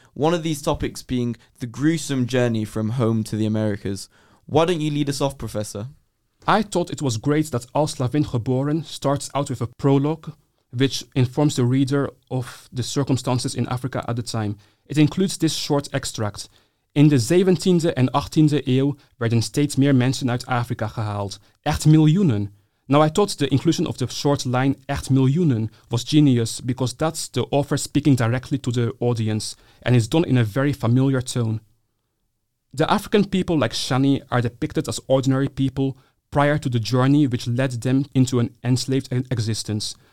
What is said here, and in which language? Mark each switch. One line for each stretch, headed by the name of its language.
English: One of these topics being the gruesome journey from home to the Americas. Why don't you lead us off, Professor? I thought it was great that Als Slavin Geboren starts out with a prologue, which informs the reader of the circumstances in Africa at the time. It includes this short extract.
Dutch: In de 17e en 18e eeuw werden steeds meer mensen uit Afrika gehaald. Echt miljoenen.
English: Now, I thought the inclusion of the short line,
Dutch: echt miljoenen,
English: was genius because that's the author speaking directly to the audience and is done in a very familiar tone. The African people like Shani are depicted as ordinary people prior to the journey which led them into an enslaved existence.